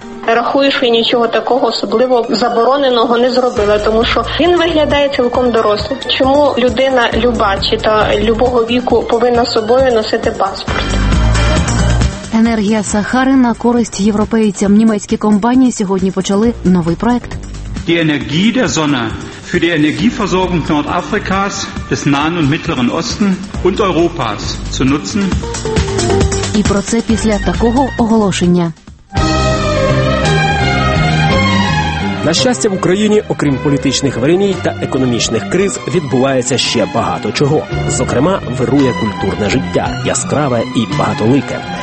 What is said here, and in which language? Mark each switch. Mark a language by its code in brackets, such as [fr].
[uk] Рахуєш, я нічого такого особливо забороненого не зробила, тому що він виглядає цілком дорослим. Чому людина люба чи та любого віку повинна собою носити паспорт? Енергія Сахари на користь європейцям. Німецькі компанії сьогодні почали новий проект. [de] Die Energie der Sonne für die Energieversorgung Nordafrikas, des Nahen und Mittleren Osten und Europas zu nutzen. [uk] І про це після такого оголошення. На щастя, в Україні, окрім політичних веремій та економічних криз, відбувається ще багато чого. Зокрема, вирує культурне життя, яскраве і багатолике.